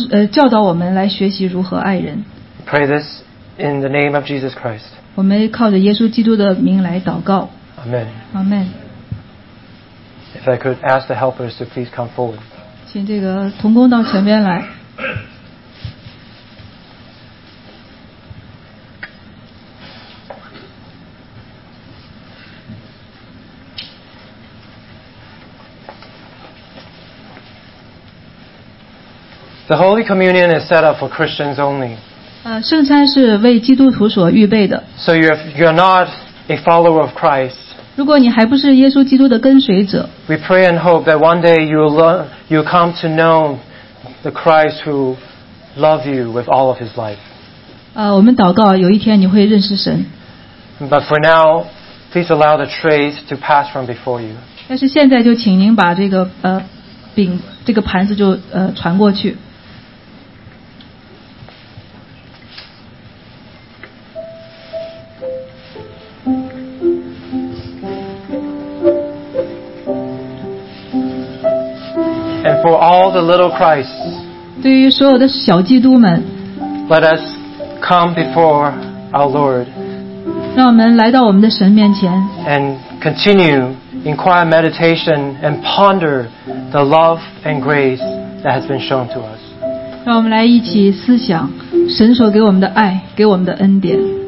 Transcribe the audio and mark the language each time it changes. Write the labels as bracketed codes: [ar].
[zh] 教导我们来学习如何爱人 [en] Pray this in the name of Jesus Christ. [zh] 我们靠着耶稣基督的名来祷告 [en] Amen. Amen. If I could ask the helpers to please come forward. [zh] 请这个同工到前面来 [en] The Holy Communion is set up for Christians only. [zh] 圣餐是为基督徒所预备的。 [en] So you're not a follower of Christ. [zh] 如果你还不是耶稣基督的跟随者。 [en] We pray and hope that one day you'll come to know the Christ who loved you with all of his life. [zh] 我们祷告有一天你会认识神。 [en] But for now, please allow the trays to pass from before you. [zh] 但是现在就请您把这个饼这个盘子就传过去。 [en] And for all the little Christs, [zh] 对于所有的小基督们 [en] let us come before our Lord. [zh] 让我们来到我们的神面前 [en] and continue in quiet meditation and ponder the love and grace that has been shown to us. [zh] 让我们来一起思想神所给我们的爱，给我们的恩典。